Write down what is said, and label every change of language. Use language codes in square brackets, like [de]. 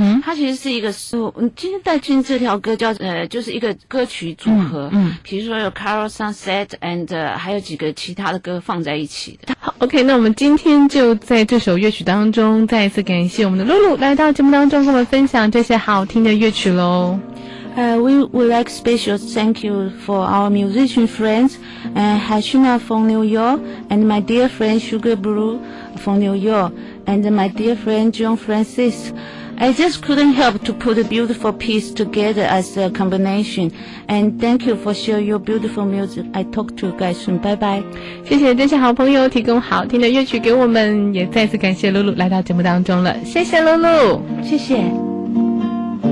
[zh] 他其实是一个，今天带进这条歌叫就是一个歌曲组合。比如说有 Carol Sunset and 还有几个其他的歌放在一起的。好， OK， 那我们今天就在这首乐曲当中再一次感谢我们的 Lulu 来到节目当中跟我们分享这些好听的乐曲咯。 [en] We would like special thank you for our musician friends, Hashima from New York, and my dear friend Sugar Blue from New York, and my dear friend John Franciss. I just couldn't help to put a beautiful piece together as a combination. And thank you for sharing your beautiful music. I talk to you guys soon. Bye bye. [zh] 谢谢这些好朋友提供好听的乐曲给我们，也再次感谢 Lulu 来到节目当中了。谢谢 Lulu。谢谢。